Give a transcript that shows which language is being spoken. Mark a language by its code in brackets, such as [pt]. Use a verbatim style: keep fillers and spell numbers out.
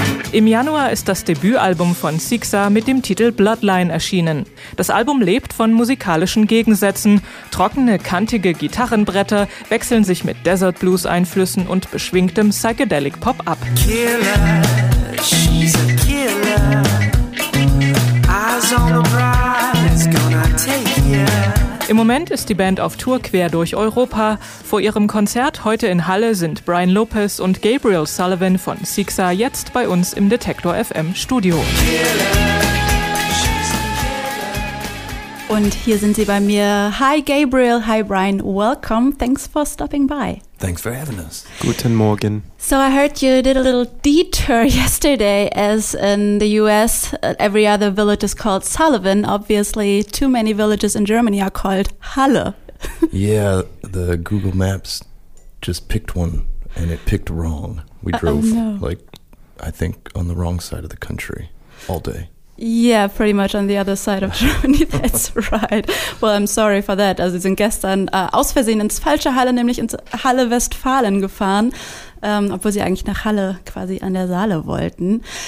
[de] Im Januar ist das Debütalbum von Sixa mit dem Titel Bloodline erschienen. Das Album lebt von musikalischen Gegensätzen. Trockene, kantige Gitarrenbretter wechseln sich mit Desert Blues-Einflüssen und beschwingtem Psychedelic Pop ab. [en] Killer, she's a killer. Eyes on the bride, it's gonna take ya. [de] Im Moment ist die Band auf Tour quer durch Europa. Vor ihrem Konzert heute in Halle sind Brian Lopez und Gabriel Sullivan von Sixa jetzt bei uns im Detektor F M Studio. Und hier sind sie bei mir. Hi Gabriel, hi Brian, [en] welcome. Thanks for stopping by. Thanks for having us. [de] Guten Morgen. [en] So I heard you did a little detour yesterday, as in the U S every other village is called Sullivan. Obviously, too many villages in Germany are called Halle. Yeah, the Google Maps just picked one, and it picked wrong. We drove, uh, oh no. like, I think, on the wrong side of the country all day. Yeah, pretty much on the other side of Germany, that's right. Well, I'm sorry for that. [de] Also, sie sind gestern äh, aus Versehen ins falsche Halle, nämlich ins Halle Westfalen gefahren, ähm, obwohl sie eigentlich nach Halle quasi an der Saale wollten.